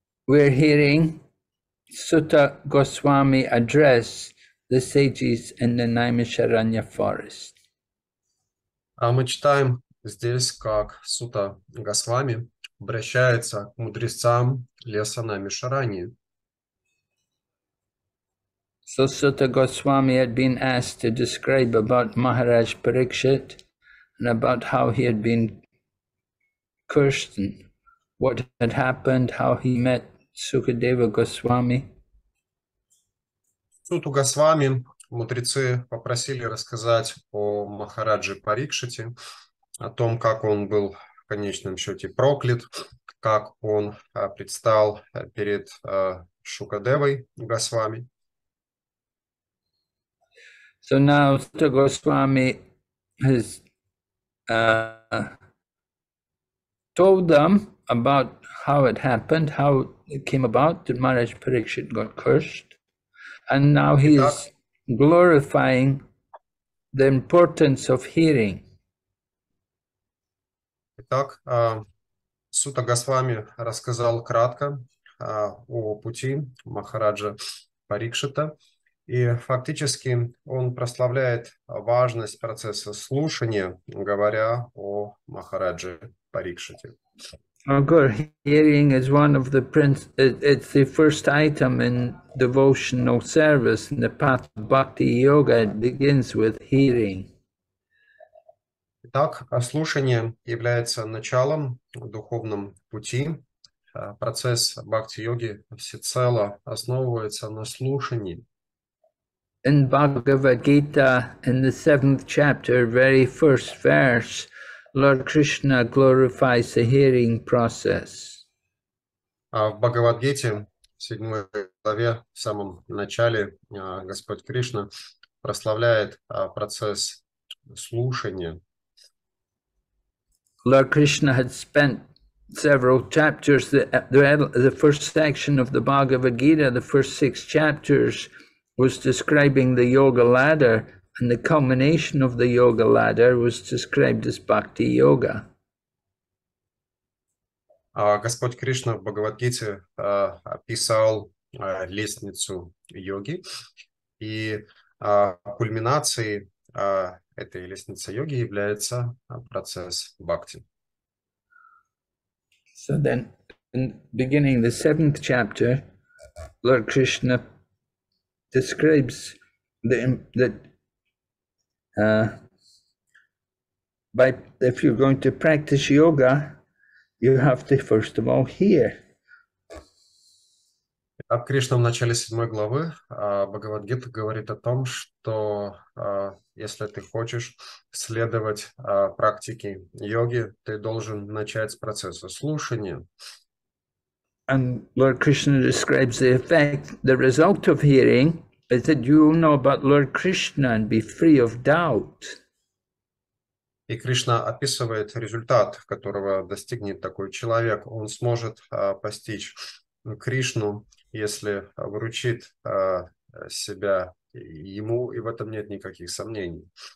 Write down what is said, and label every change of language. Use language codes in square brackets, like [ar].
[en] We're hearing Sutta Goswami address the sages in the Naimisharanya forest. [ru] А мы читаем здесь, как Сута Госвами обращается к мудрецам леса Наймишарани. [en] So Sutta Goswami had been asked to describe about Maharaj Parikshit and about how he had been cursed and what had happened, how he met Sukadeva Goswami. [ru] Суту Госвами мудрецы попросили рассказать о Махарадже Парикшите, о том, как он был в конечном счете проклят, как он предстал перед Шукадевой Госвами. [en] So now Sutta Goswami has told them about how it happened, how it came about that Maharaj Parikshit got cursed. And now he is glorifying the importance of hearing. [ru] Итак, Сута Госвами рассказал кратко о пути Махараджа Парикшита. И фактически он прославляет важность процесса слушания, говоря о Махарадже Парикшите. [en] Oh, good. Hearing is one of the it's the first item in devotional service in the path of bhakti yoga. It begins with hearing. [ru] Итак, слушание является началом духовного пути. Процесс бхакти йоги всецело основывается на слушании. [en] In Bhagavad Gita, in the 7th chapter, very first verse, Lord Krishna glorifies the hearing process. [ru] В Бхагавадгите, в 7 главе, в самом начале, Господь Кришна прославляет процесс слушания. [en] Lord Krishna had spent several chapters, the first section of the Bhagavad Gita, the first 6 chapters, was describing the yoga ladder. And the culmination of the yoga ladder was described as bhakti yoga. [ru] Господь Кришна в Бхагавадгите описал лестницу йоги, и кульминацией этой лестницы йоги является процесс бхакти. [en] So then, in beginning the 7th chapter, Lord Krishna describes if you're going to practice yoga, you have to first of all hear. [ru] Итак, Кришна в начале 7 главы Бхагавадгита говорит о том, что если ты хочешь следовать практике йоги, ты должен начать с процесса слушания. [en] And Lord Krishna describes the effect, the result of hearing. Is that you will know about Lord Krishna and be free of doubt. [ru] И Кришна описывает результат, которого достигнет такой человек. Он сможет постичь Кришну, если вручит себя ему, и в этом нет никаких сомнений.